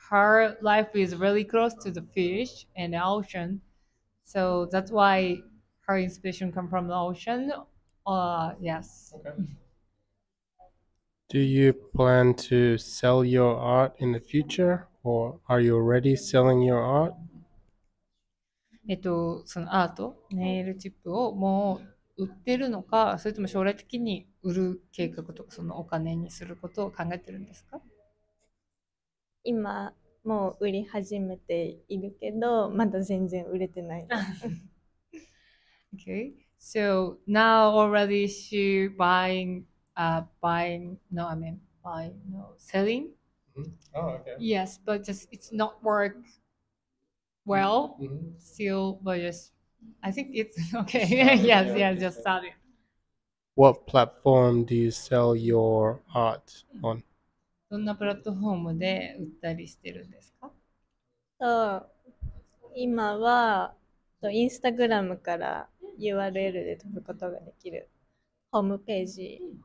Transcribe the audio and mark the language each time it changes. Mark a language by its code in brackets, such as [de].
[en] Her life is really close to the fish and the ocean. So that's why her inspiration come from the ocean. Yes. Okay. Do you plan to sell your art in the future, or are you already selling your art? [ja] そのアート、ネイルチップをもう売ってるのか、それとも将来的に売る計画とか、そのお金にすることを考えてるんですか？今もう売り始めているけど、まだ全然売れてない。 [en] Okay. So now already she selling. Oh, okay. Yes, but just it's not work well still, but just I think it's okay. Yes, yeah, just started. What platform do you sell your art on? [ja] どんなプラットフォームで売ったりしてるんですか？今はインスタグラムから URL で飛ぶことができるホームページ、